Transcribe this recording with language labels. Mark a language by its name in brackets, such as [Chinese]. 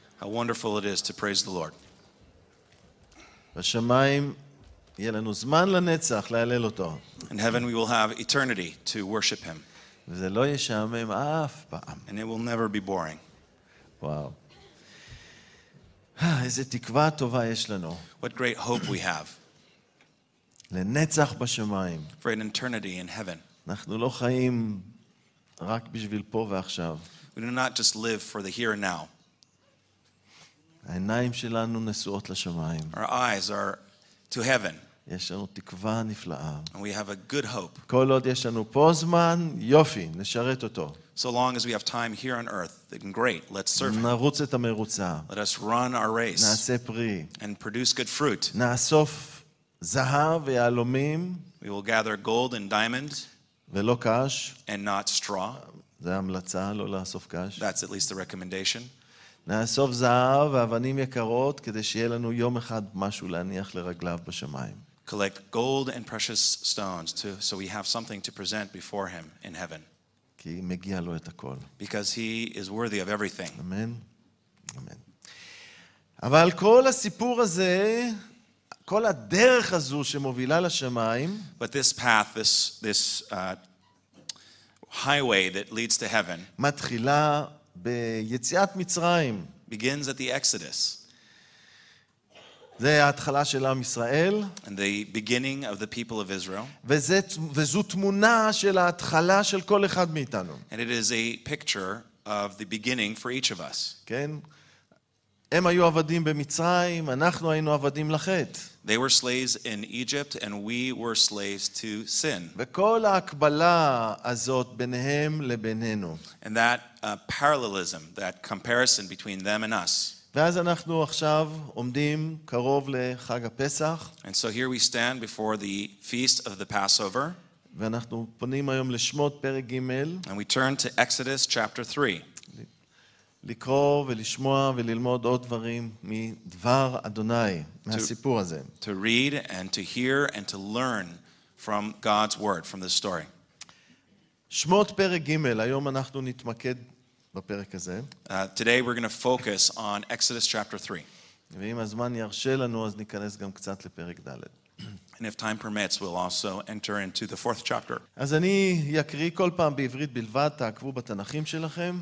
[English] How wonderful it is to praise the Lord. [Hebrew] בשמיים יהיה לנו זמן לנצח להלל אותו. [English] In heaven we will have eternity to worship him. [Hebrew] וזה לא ישעמם אף פעם. [English] And it will never be boring. [Hebrew] וואו. איזה תקווה טובה יש לנו. [English] What great hope we have. [Hebrew] לנצח בשמיים. [English] For an eternity in heaven. [Hebrew] אנחנו לא חיים רק בשביל פה ועכשיו. [English] We do not just live for the here and now. [Hebrew] העיניים שלנו נשואות לשמיים. [English] Our eyes are to heaven. [Hebrew] יש לנו תקווה נפלאה. [English] And we have a good hope. [Hebrew] כל עוד יש לנו פה זמן, יופי, נשרת אותו. [English] So long as we have time here on earth, then great, let's serve him. [Hebrew] נרוץ את המרוצה. [English] Let us run our race. [Hebrew] נעשה פרי. [English] And produce good fruit. [Hebrew] נאסוף זהב ויהלומים. [English] We will gather gold and diamonds. [Hebrew] ולא קש. [English] And not straw. [Hebrew] זה המלצה, לא לאסוף קש. [English] That's at least the recommendation. [Hebrew] נאסוף זהב ואבנים יקרות כדי שיהיה לנו יום אחד משהו להניח לרגליו בשמיים. [English] Collect gold and precious stones to, so we have something to present before him in heaven. [Hebrew] כי מגיע לו את הכל. [English] Because he is worthy of everything. [Hebrew] אמן. אמן. אבל כל הסיפור הזה, כל הדרך הזו שמובילה לשמיים, [English] but this path, this highway that leads to heaven, [Hebrew] מתחילה ביציאת מצרים. [English] Begins at the Exodus. [Hebrew] זה ההתחלה של עם ישראל. [English] And the beginning of the people of Israel. [Hebrew] וזו תמונה של ההתחלה של כל אחד מאיתנו. [English] And it is a picture of the beginning for each of us. [Hebrew] כן? הם היו עבדים במצרים, אנחנו היינו עבדים לחטא. [English] They were slaves in Egypt and we were slaves to sin. [Hebrew] וכל ההקבלה הזאת ביניהם לבינינו. [English] And that parallelism, that comparison between them and us. [Hebrew] ואז אנחנו עכשיו עומדים קרוב לחג הפסח. [English] And so here we stand before the feast of the Passover. [Hebrew] ואנחנו פונים היום לשמות פרק ג'. [English] And we turn to Exodus chapter 3. [Hebrew] לקרוא ולשמוע וללמוד עוד דברים מדבר אדוני, מהסיפור הזה. [English] To read and to hear and to learn from God's word, from this story. [Hebrew] שמות פרק ג', היום אנחנו נתמקד בפרק הזה. [English] Today we're going to focus on Exodus chapter 3. [Hebrew] ואם הזמן ירשה לנו, אז ניכנס גם קצת לפרק ד'. [English] And if time permits, we'll also enter into the fourth chapter. [Hebrew] אז אני אקריא כל פעם בעברית בלבד, תעקבו בתנכים שלכם.